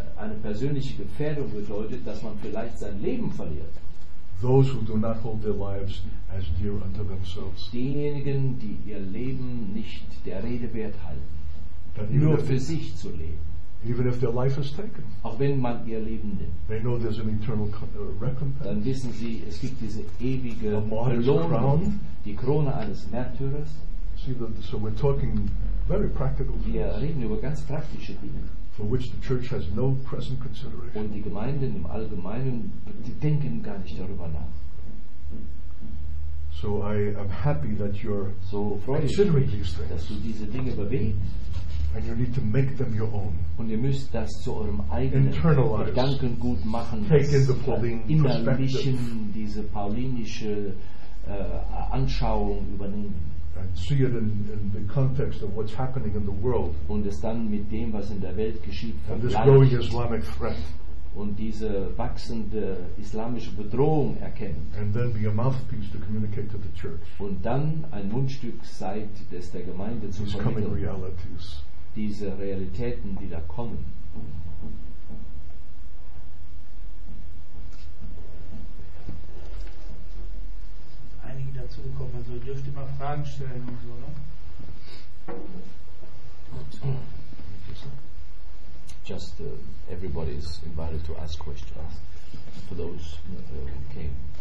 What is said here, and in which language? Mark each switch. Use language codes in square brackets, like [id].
[de] Eine persönliche Gefährdung bedeutet, dass man vielleicht sein Leben verliert. [en] Those who do not hold their lives as dear unto themselves. [de] Diejenigen, die ihr Leben nicht der Rede wert halten, [en] that [de] nur für sich zu leben, [en] even if their life is taken, [de] auch wenn man ihr Leben nimmt, [en] they know there's an eternal recompense. [de] Dann wissen sie, es gibt diese ewige Belohnung, die Krone eines Märtyrers. [en] So we're talking very practical [de] wir [en] things, [de] reden über ganz praktische Dinge, [en] for which the church has no present consideration. [de] Und die Gemeinden im Allgemeinen die denken gar nicht darüber nach. [en] So I am happy that you're [de] so [en] considering these things, [de] dass du diese Dinge bewegst. [en] And you need to make them your own. [de] Und ihr müsst das zu eurem eigenen Gedanken gut machen. [en] Take in the Pauline perspective. [de] Diese paulinische Anschauung übernehmen. [en] And see it in the context of what's happening in the world. [de] Und es dann mit dem, was in der Welt geschieht, [en] and this growing Islamic threat. [de] Und diese wachsende islamische Bedrohung erkennen. [en] And then be a mouthpiece to communicate to the church. [de] Und dann ein Mundstück seid, des der Gemeinde zu vermitteln. [en] These coming realities. [de] Diese Realitäten, die da kommen. Einige dazu gekommen, also dürft ihr mal Fragen stellen und so, ne? Gut. [en] Just everybody is invited to ask questions for those who came.